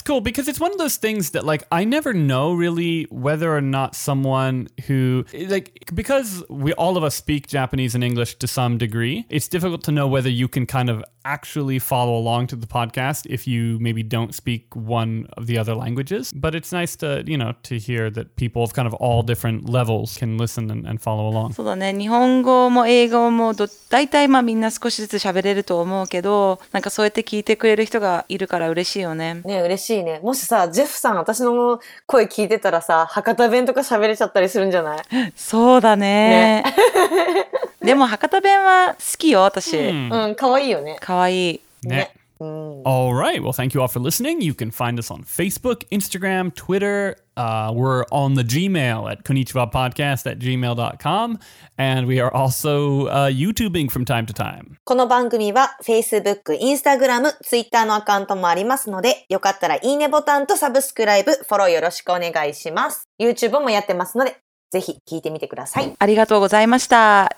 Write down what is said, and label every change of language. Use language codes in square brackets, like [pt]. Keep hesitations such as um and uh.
[en] cool because it's one of those things that, like, I never know really whether or not someone who, like, because we all of us speak Japanese and English to some degree, it's difficult to know whether you can kind of actually follow along to the podcast if you maybe don't speak one of the other languages. But it's nice to, you know, to hear that people of kind of all different levels can listen and, and follow along. [ja] そうだね。日本語も英語もど大体まあみんな少しずつ喋れると思うけど、なんかそうやって聞いてくれる人がいるから嬉しいよね。ね、嬉しいね。もしさ、ジェフさん私の声聞いてたらさ、博多弁とか喋れちゃったりするんじゃないそうだね。ねでも博多弁は好きよ、私。うん、かわいいよね。かわいい。 [en] ね。ね All right. Well, thank you all for listening. You can find us on Facebook, Instagram, Twitter. Uh, we're on the Gmail at konnichiwapodcast at gmail.com. And we are also uh, YouTubing from time to time. [ja] この番組は Facebook, Instagram, Twitter のアカウントもありますので、よかったらいいねボタンとサブスクライブ、フォローよろしくお願いします。 YouTube もやってますので、ぜひ聞いてみてくださ、はい。ありがとうございました。